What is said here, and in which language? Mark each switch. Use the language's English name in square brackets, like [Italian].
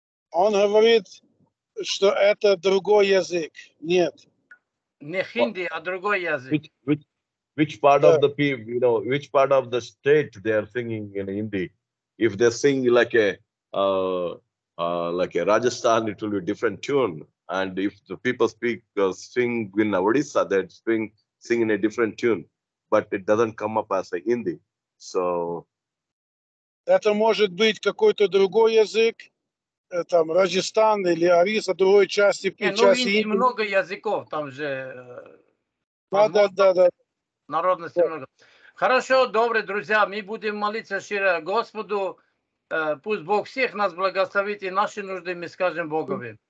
[Russian] Он говорит, что это другой язык. Нет. Не хинди, а другой язык. [English] Which part of the people, you know, which part of the state they are singing in Hindi? If they sing like a Rajasthan, it will be different tune. And if the people speak sing in Odisha, they sing in a different tune. But it doesn't come up as a Hindi. So, [Russian] это может быть какой-то другой язык, там Раджистан или Ориса, другой части. Не, части ну, много языков, там же. Да. Народности да. Много. Хорошо, добрые друзья, мы будем молиться шире Господу, пусть Бог всех нас благословит и наши нужды мы скажем Богу.